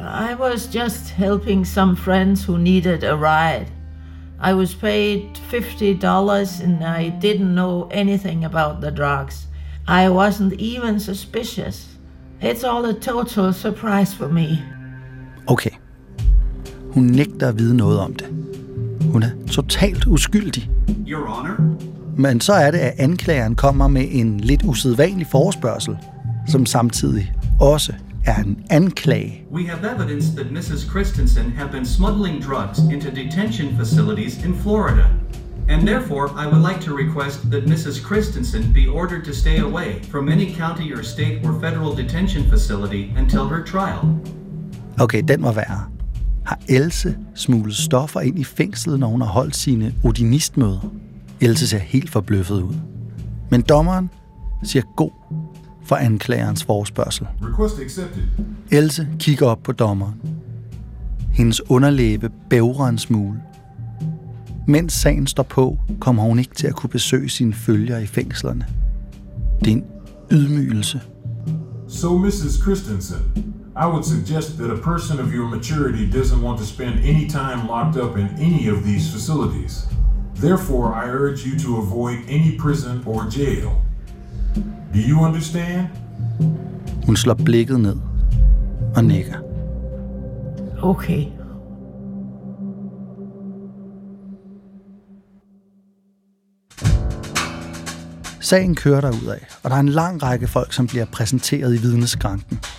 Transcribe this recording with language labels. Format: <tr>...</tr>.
<en>I was just helping some friends who needed a ride. I was paid $50 and I didn't know anything about the drugs. I wasn't even suspicious. It's all a total surprise for me. Okay.</en> <da>Hun nægter at vide noget om det. Hun er totalt uskyldig.</da> <en>Your Honor.</en> <da>Men så er det, at anklageren kommer med en lidt usædvanlig forespørgsel, som samtidig også er en anklage.</da> <en>We have evidence that Mrs. Christensen have been smuggling drugs into detention facilities in Florida. And therefore, I would like to request that Mrs. Christensen be ordered to stay away from any county or state or federal detention facility until her trial.</en> <da>Okay, den var værre. Har Else smuglet stoffer ind i fængslet, når hun har holdt sine odinistmøder? Else ser helt forbløffet ud. Men dommeren siger god for anklagerens forespørgsel.</da> <en>Request accepted.</en> <da>Else kigger op på dommeren. Hendes underlæbe bævrer en smule. Mens sagen står på, kommer hun ikke til at kunne besøge sine følger i fængslerne. Det er en ydmygelse.</da> <en>So, Mrs. Christensen, I would suggest that a person of your maturity doesn't want to spend any time locked up in any of these facilities. Therefore, I urge you to avoid any prison or jail. Do you understand?</en> <da>Hun slår blikket ned og nikker. Okay. Sagen kører derudad, og der er en lang række folk, som bliver præsenteret i vidneskranken.</da>